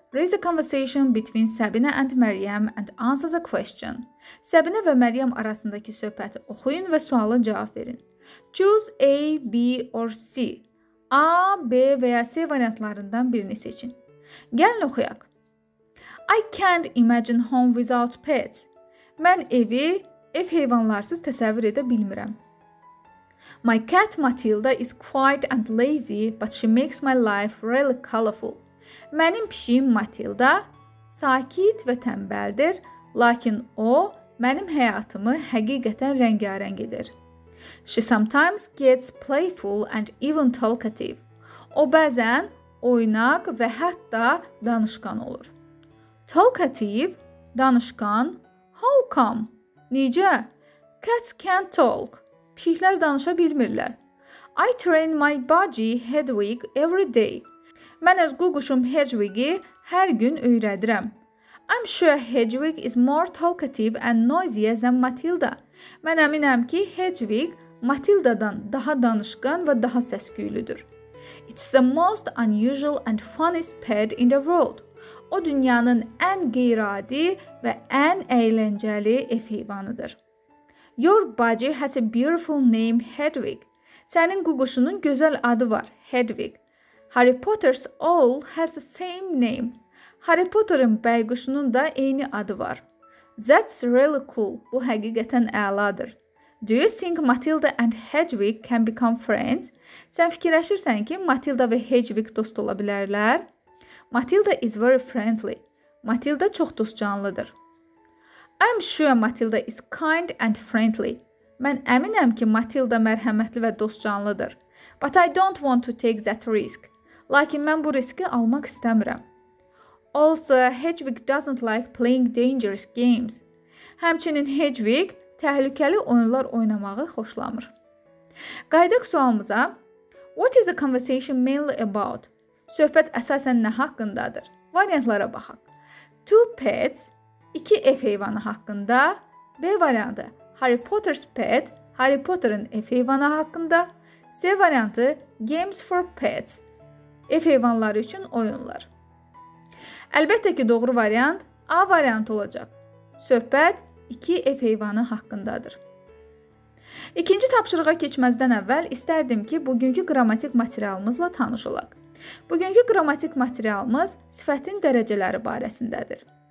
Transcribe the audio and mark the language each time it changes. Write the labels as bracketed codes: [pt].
[en] Raise a conversation between Sabina and Maryam and answer the question. [az] Sabina ve Maryam arasındaki söhbəti oxuyun və sualı cavab verin. [en] Choose A, B or C. [az] A, B və ya C variantlarından birini seçin. Gəlin oxuyaq. [en] I can't imagine home without pets. [az] Mən evi ev heyvanlarsız təsəvvür edə bilmirəm. [en] My cat Matilda is quiet and lazy, but she makes my life really colorful. [az] Mənim pişiyim Matilda sakit və tənbəldir, lakin o mənim həyatımı həqiqətən rəngarəng edir. [en] She sometimes gets playful and even talkative. [az] O bəzən oynaq və hətta danışqan olur. [en] Talkative, [az] danışkan. [en] How come? [az] Necə? [en] Cats can't talk. [az] Pişiklər danışa bilmirlər. [en] I train my budgie Hedwig every day. [az] Mən öz ququşum Hedwig'i hər gün öyrədirəm. [en] I'm sure Hedwig is more talkative and noisier than Matilda. [az] Mən əminəm ki, Hedwig Matilda'dan daha danışkan və daha səsküylüdür. [en] It's the most unusual and funniest pet in the world. [az] O dünyanın ən qeyradi və ən əyləncəli ev heyvanıdır. [en] Your budgie has a beautiful name, Hedwig. [az] Sənin ququşunun gözəl adı var, [en] Hedwig. Harry Potter's owl has the same name. [az] Harry Potter'ın bəyquşunun da eyni adı var. That's really cool. Bu həqiqətən əladır. [en] Do you think Matilda and Hedwig can become friends? [az] Sən fikirləşirsən ki, Matilda və Hedwig dost ola bilərlər? [en] Matilda is very friendly. [az] Matilda çox dostcanlıdır. [en] I'm sure Matilda is kind and friendly. [az] Mən əminəm ki, Matilda mərhəmətli və dostcanlıdır. [en] But I don't want to take that risk. [az] Lakin mən bu riski almaq istəmirəm. [en] Also, Hedwig doesn't like playing dangerous games. [az] Həmçinin Hedwig təhlükəli oyunlar oynamağı xoşlamır. Qayıdaq sualımıza. [en] What is the conversation mainly about? [az] Söhbət əsasən nə haqqındadır? Variantlara baxaq. [en] Two pets, [az] iki ev heyvanı haqqında. B variantı, Harry Potter's pet, Harry Potter'ın ev heyvanı haqqında. C variantı, [en] games for pets, [az] ev heyvanları üçün oyunlar. Əlbəttə ki, doğru variant A variantı olacaq. Söhbət iki ev heyvanı haqqındadır. İkinci tapşırığa keçməzdən əvvəl istərdim ki, bugünkü qrammatik materialımızla tanış olaq. Bugünkü qrammatik materialımız sifətin dərəcələri barəsindədir.